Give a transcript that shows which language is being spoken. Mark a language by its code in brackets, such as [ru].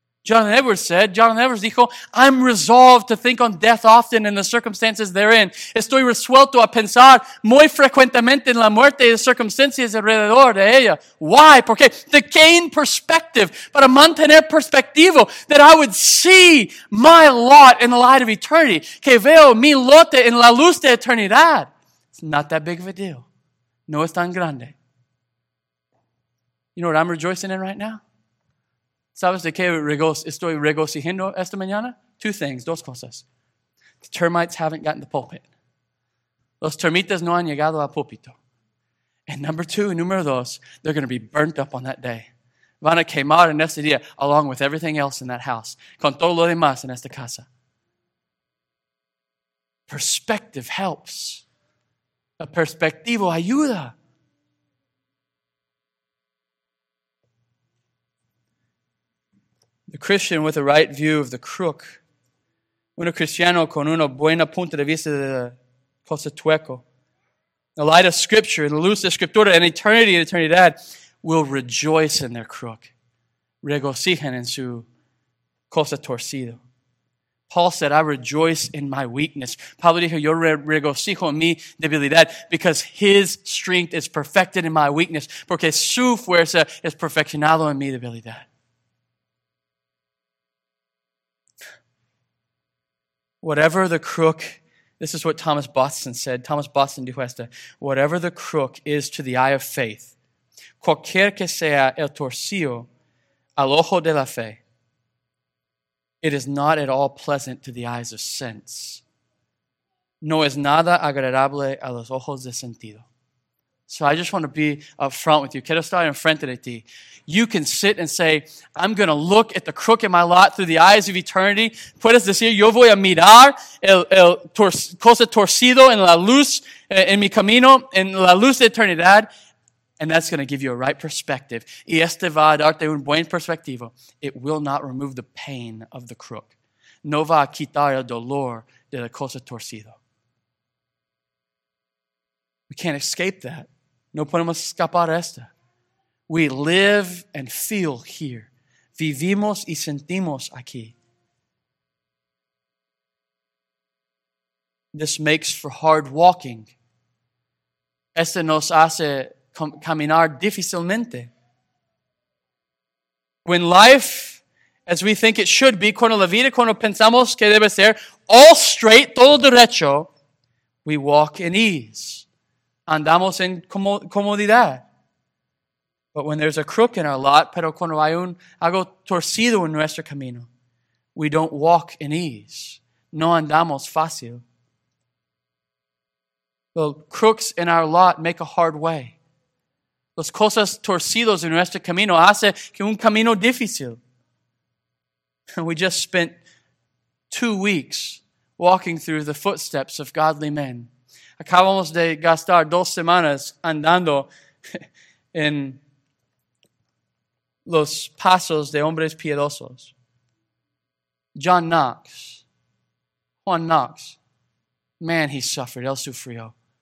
[en] Jonathan Edwards dijo, I'm resolved to think on death often in the circumstances therein. [es] Estoy resuelto a pensar muy frecuentemente en la muerte y las circunstancias alrededor de ella. [en] Why? [es] Porque [en] to gain perspective, [es] para mantener perspectivo, [en] that I would see my lot in the light of eternity. [es] Que veo mi lote en la luz de eternidad. [en] It's not that big of a deal. [es] No es tan grande. [en] You know what I'm rejoicing in right now? [es] ¿Sabes de qué estoy regocijando esta mañana? [en] Two things, [es] dos cosas. [en] The termites haven't gotten the pulpit. [es] Los termitas no han llegado al púlpito. [en] And number two, and [es] número dos, [en] they're going to be burnt up on that day. [es] Van a quemar en este día, [en] along with everything else in that house. [es] Con todo lo demás en esta casa. [en] Perspective helps. [es] El perspectivo ayuda. [en] The Christian with a right view of the crook, [es] un cristiano con una buena punta de vista de la cosa tueco, [en] the light of Scripture, [es] the luz de Escritura, [en] and eternity [es] and eternidad, [en] will rejoice in their crook, [es] regocijan en su cosa torcido. [en] Paul said, I rejoice in my weakness. [es] Pablo dijo, yo regocijo en mi debilidad, [en] because his strength is perfected in my weakness, [es] porque su fuerza es perfeccionado en mi debilidad. [en] Whatever the crook, this is what Thomas Boston said. [es] Thomas Boston dijo esto. [en] Whatever the crook is to the eye of faith, [es] cualquier que sea el torcido al ojo de la fe, [en] it is not at all pleasant to the eyes of sense. [es] No es nada agradable a los ojos de sentido. [en] So I just want to be up front with you. [es] Quiero estar en frente de ti. [en] You can sit and say, I'm going to look at the crook in my lot through the eyes of eternity. [es] Puedes decir, yo voy a mirar cosa torcido en la luz, en mi camino, en la luz de eternidad. [en] And that's going to give you a right perspective. [es] Y este va a darte un buen perspectivo. [en] It will not remove the pain of the crook. [es] No va a quitar el dolor de la cosa torcido. [en] We can't escape that. [es] No podemos escapar esta. [en] We live and feel here. [es] Vivimos y sentimos aquí. [en] This makes for hard walking. [es] Este nos hace caminar difícilmente. [en] When life, as we think it should be, [es] cuando la vida, cuando pensamos que debe ser, [en] all straight, [es] todo derecho, [en] we walk in ease. [es] Andamos en comodidad. [en] But when there's a crook in our lot, [es] pero cuando hay algo torcido en nuestro camino, [en] we don't walk in ease. [es] No andamos fácil. [en] The crooks in our lot make a hard way. [es] Las cosas torcidos en nuestro camino hace que un camino difícil. [en] We just spent 2 weeks walking through the footsteps of godly men. [es] Acabamos de gastar 2 semanas andando en los pasos de hombres piedosos. [en] John Knox, Juan Knox, man, he suffered, [es] él sufrió.